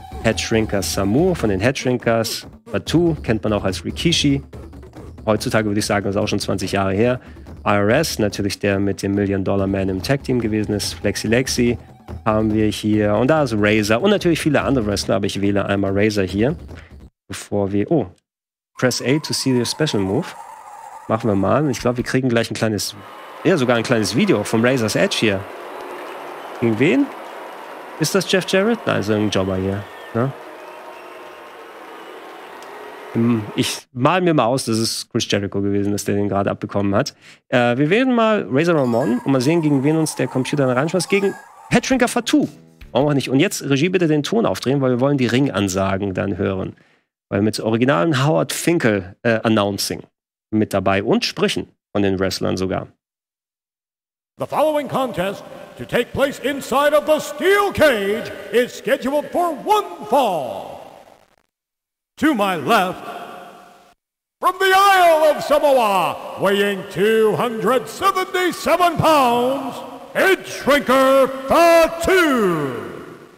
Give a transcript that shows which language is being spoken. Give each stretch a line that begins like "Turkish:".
German: Headshrinker Samu von den Headshrinkers. Batu kennt man auch als Rikishi. Heutzutage würde ich sagen, das ist auch schon 20 Jahre her. IRS, natürlich der mit dem Million-Dollar-Man im Tag-Team gewesen ist. Flexi Lexi haben wir hier. Und da ist Razor. Und natürlich viele andere Wrestler, aber ich wähle einmal Razor hier. Bevor wir...
English: Oh, press A to see your special move.
German: Machen wir mal. Ich glaube, wir kriegen gleich ein kleines... Ja, sogar ein kleines Video vom Razor's Edge hier. Gegen wen? Ist das Jeff Jarrett? Nein, so ein Jobber hier. Ja. Ich mal mir mal aus, dass es Chris Jericho gewesen ist, der den gerade abbekommen hat. Wir wählen mal Razor Ramon und mal sehen, gegen wen uns der Computer reinschmeißt. Gegen Headshrinker Fatu. Warum auch nicht? Und jetzt, Regie, bitte den Ton aufdrehen, weil wir wollen die Ringansagen dann hören. Weil mit originalen Howard Finkel Announcing mit dabei und Sprüchen von den Wrestlern sogar.
English: The following contest to take place inside of the steel cage is scheduled for one fall. To my left, From the Isle of Samoa, weighing 277 pounds, Edge Shrinker Fatu!